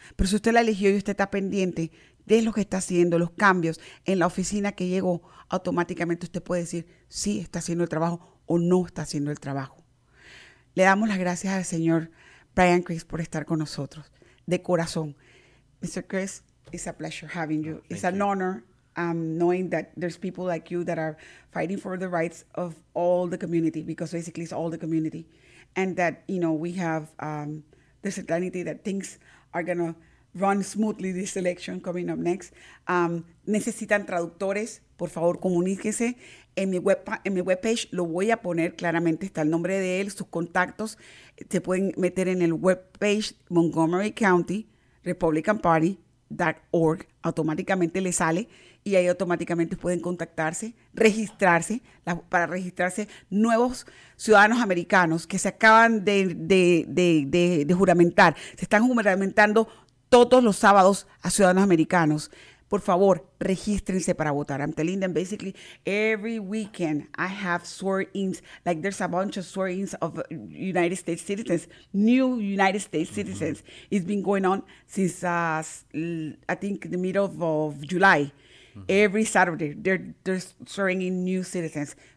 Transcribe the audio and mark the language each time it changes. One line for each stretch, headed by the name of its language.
Spanish: Pero si usted la eligió y usted está pendiente de lo que está haciendo, los cambios en la oficina que llegó, automáticamente usted puede decir si está haciendo el trabajo o no está haciendo el trabajo. Le damos las gracias al señor Brian Criss por estar con nosotros, de corazón.
English: Mr. Criss, it's a pleasure having you. Oh, it's an honor knowing that there's people like you that are fighting for the rights of all the community, because basically it's all the community. And that, you know, we have the certainty that things are going to run smoothly this election coming up next.
Spanish: Necesitan traductores, por favor, comuníquese. En mi webpage lo voy a poner claramente, está el nombre de él, sus contactos. Se pueden meter en el webpage Montgomery County Republican Party.org. Automáticamente le sale y ahí automáticamente pueden contactarse, registrarse, para registrarse nuevos ciudadanos americanos que se acaban de juramentar. Se están juramentando todos los sábados a ciudadanos americanos. Por favor, regístrense para votar.
English: I'm telling them, basically, every weekend I have swear-ins. Like, there's a bunch of swear-ins of United States citizens, new United States citizens. Mm-hmm. It's been going on since, I think, the middle of July. Mm-hmm. Every Saturday, they're swearing in new citizens.